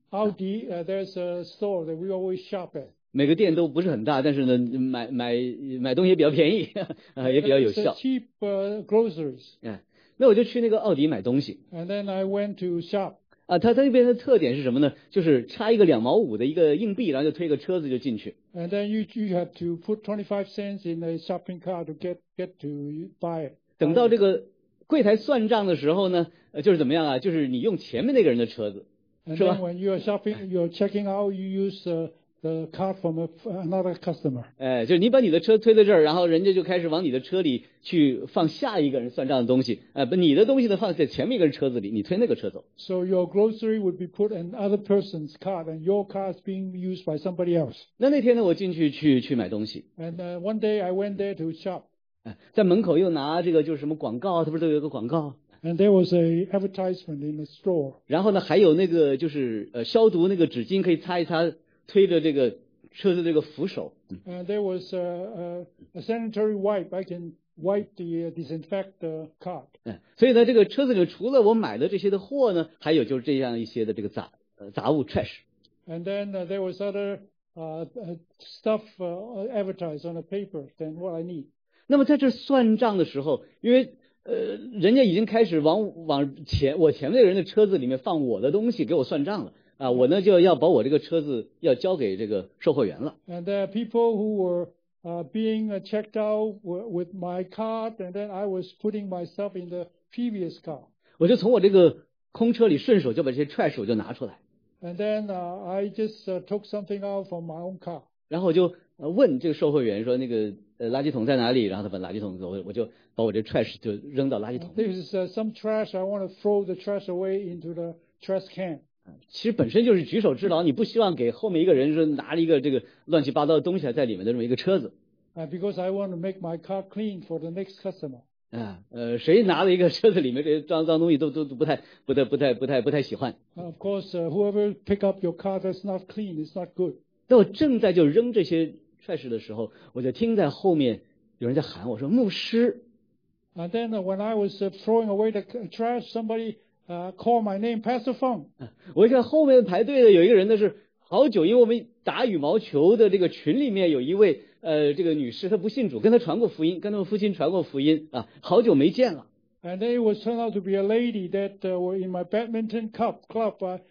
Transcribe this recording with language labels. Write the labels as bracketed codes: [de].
[en] 奥迪 there's a store that we always shop at. [zh] 每个店都不是很大但是呢买东西比较便宜也比较有效。 [en] cheap groceries. [zh] 那我就去那个奥迪买东西。 [en] And then I went to shop. [zh] 它那边的特点是什么呢就是插一个两毛五的一个硬币然后就推个车子就进去。 [en] And then you have to put 25 cents in a shopping cart to get to buy it. [zh] 等到这个柜台算账的时候呢就是怎么样啊就是你用前面那个人的车子。 [en] And then when you are shopping, you are checking out, you use the car from another customer. [zh] 哎，就是你把你的车推到这儿，然后人家就开始往你的车里去放下一个人算账的东西。哎，你的东西呢放在前面一个人车子里，你推那个车走。 [en] So your grocery would be put in another person's car, and your car is being used by somebody else. [zh] 那天呢，我进去去买东西。 [en] And one day I went there to shop. [zh] 在门口又拿这个就是什么广告，它不是都有一个广告？ [en] And there was an advertisement in the store. [zh] 然后呢，还有那个就是消毒那个纸巾，可以擦一擦推着这个车子这个扶手。 [en] And there was a sanitary wipe. I can wipe the disinfect the cart. [zh] 所以呢，这个车子里除了我买的这些的货呢，还有就是这样一些的这个杂物 trash. [en] And then there was other stuff advertised on the paper than what I need. [zh] 那么在这算账的时候，因为人家已经开始往前我前面的人的车子里面放我的东西给我算账了啊，我呢就要把我这个车子要交给这个售货员了。 [en] And there are people who were being checked out with my card, and then I was putting myself in the previous car. [zh] 我就从我这个空车里顺手就把这些 trash 我就拿出来。 [en] And then I just took something out from my own car. [zh] 然后我就问这个售货员说那个垃圾桶在哪里，然后他把垃圾桶走，我就把我这 trash 就扔到垃圾桶。 [en] This is some trash, I want to throw the trash away into the trash can. [zh] 其实本身就是举手之劳，你不希望给后面一个人说拿了一个这个乱七八糟的东西在里面的这么一个车子。 [en] Because I want to make my car clean for the next customer. [zh] 谁拿了一个车子里面这些脏东西都不太喜欢。 [en] Of course, whoever pick up your car that's not clean, it's not good. [zh] 那我正在就扔这些trash的时候，我就听在后面有人在喊我说牧师。 [en] And then when I was throwing away the trash, somebody called my name, Pastor Fong. [zh] 我一看后面排队的有一个人呢，是好久，因为我们打羽毛球的这个群里面有一位这个女士，她不信主，跟她传过福音，跟她父亲传过福音啊，好久没见了。 [en] And then it was turned out to be a lady that were in my badminton club.